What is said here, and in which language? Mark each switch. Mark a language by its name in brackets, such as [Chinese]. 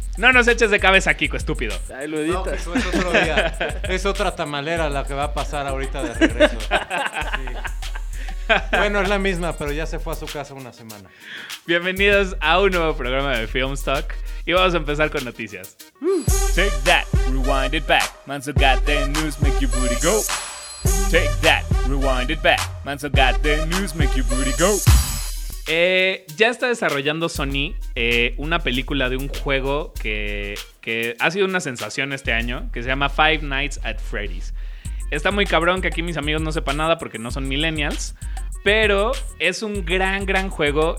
[Spanish] No nos eches de cabeza, Kiko, estúpido. Ahí lo editas. No, es otro día. Es otra tamalera la que va a pasar ahorita de regreso. Sí. Bueno, es la misma, pero ya se fue a su casa una semana. Bienvenidos a un nuevo programa de Filmstock. Y vamos a empezar con noticias. [English] Take that, rewind it back. Manso got the news, make your booty go. Take that, rewind it back. Manso got the news, make your booty go. [Spanish] Ya está desarrollando Sony una película de un juego que ha sido una sensación este año, que se llama Five Nights at Freddy's. Está muy cabrón que aquí mis amigos no sepan nada porque no son millennials, pero es un gran, gran juego.